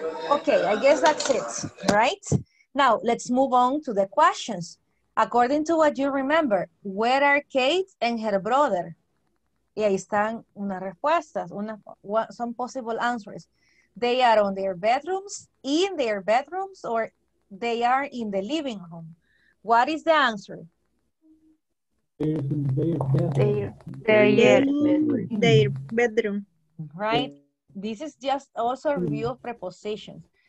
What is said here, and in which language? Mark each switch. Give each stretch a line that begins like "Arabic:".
English: Okay, I guess that's it, right? Now, let's move on to the questions. According to what you remember, where are Kate and her brother?
Spanish: Y ahí están unas respuestas,
English: some possible answers. They are on their bedrooms, in their bedrooms, or they are in the living room. What is the answer? Their bedroom. Right? This is just also a review of prepositions.